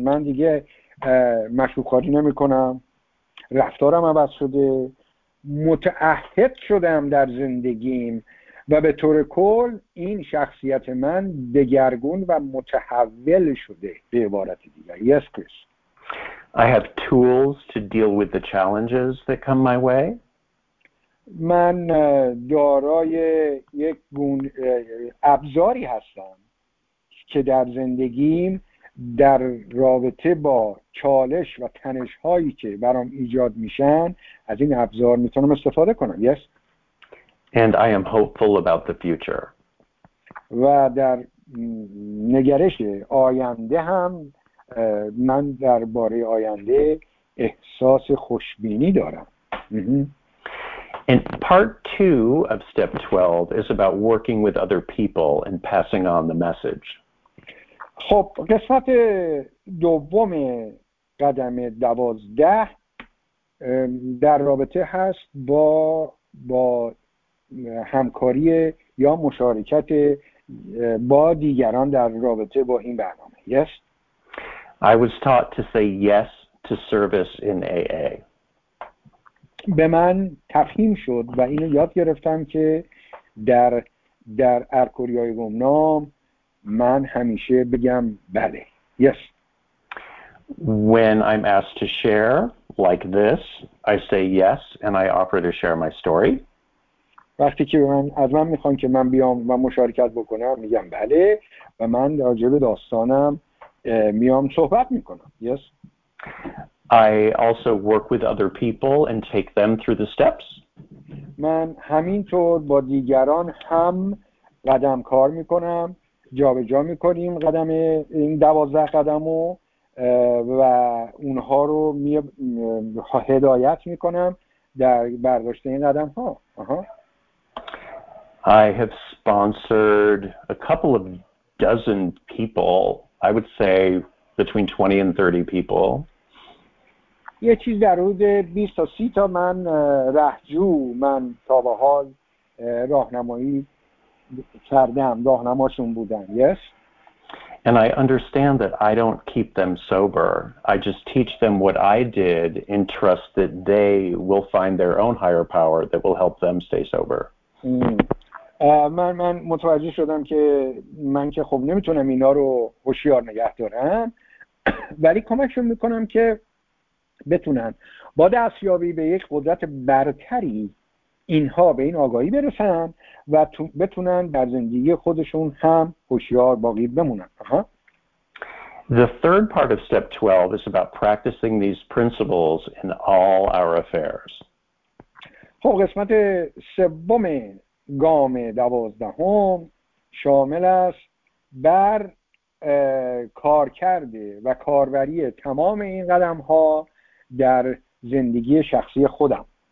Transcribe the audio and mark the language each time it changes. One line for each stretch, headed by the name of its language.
Persian: من دیگه مشروبخواری نمی کنم، رفتارم عوض شده، متعهد شدم در زندگیم و به طور کل این شخصیت من دگرگون و متحول شده به عبارت دیگر.
English: Yes, Chris. I have tools to deal with the challenges that come my way.
Persian: من دارای یک گون ابزاری هستم که در زندگیم در رابطه با چالش و تنش هایی که برام ایجاد میشن از این ابزار میتونم استفاده کنم.
English: Yes. And I am hopeful about the future.
Persian: و در نگرش آینده هم من در باره آینده احساس خوشبینی دارم.
English: And part two of step 12 is about working with other people and passing on the message.
Persian: خب قسمت دوم قدم 12 در رابطه هست با همکاری یا مشارکت با دیگران در رابطه با این برنامه.
English: Yes. I was taught to say yes to service in AA.
Persian: به من تفهیم شد و اینو یاد گرفتم که در ارکوریای گمنام من همیشه بگم بله.
English: Yes. When I'm asked to share like this, I say yes and I offer to share my story.
Persian: وقتی که از من میخوان که من بیام و مشارکت بکنم میگم بله و من راجع به داستانم میام صحبت میکنم.
English: Yes. I also work with other people and take them through the steps.
Persian: من همینطور با دیگران هم قدم کار میکنم، جابجا میکنیم قدم این 12 قدمو و اونها رو هدایت میکنم در برداشت این قدم ها.
English: I have sponsored a couple of dozen people. I would say between 20 and 30 people.
Persian: یه چیز در حدود 20 تا 30 تا من رهجو من تا به حال راهنمایی کردم، راهنماشون بودم.
English: Yes. And I understand that I don't keep them sober. I just teach them what I did and trust that they will find their own higher power that will help them stay sober.
Persian: من متوجه شدم که من که خب نمیتونم اینا رو هوشیار نگه دارم، ولی کمکشون میکنم که بتونن با دستیابی به یک قدرت برتری اینها به این آگاهی برسن و بتونن در زندگی خودشون هم هوشیار باقی بمونن.
English: The third part of step 12 is about practicing these principles in all our affairs.
Persian: خب قسمت سوم گام 12 شامل است بر کار کرده و کاربری تمام این قدم ها در زندگی شخصی خودم.